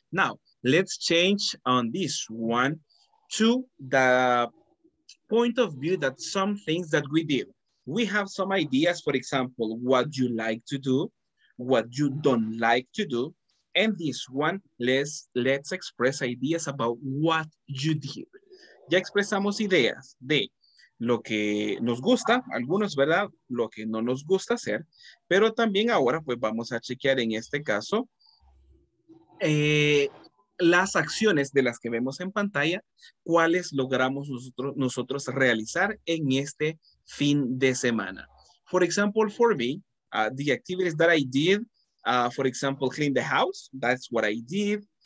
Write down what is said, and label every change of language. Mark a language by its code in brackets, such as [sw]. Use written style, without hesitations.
[en] Now, let's change on this one to the point of view that some things that we do. We have some ideas, for example, what you like to do, what you don't like to do. And this one, let's express ideas about what you did. [es] Ya expresamos ideas de lo que nos gusta, algunos, ¿verdad? Lo que no nos gusta hacer. Pero también ahora, pues vamos a chequear en este caso las acciones de las que vemos en pantalla, cuáles logramos nosotros realizar en este fin de semana. [en] For example, for me, the activities that I did, for example, clean the house, that's what I did.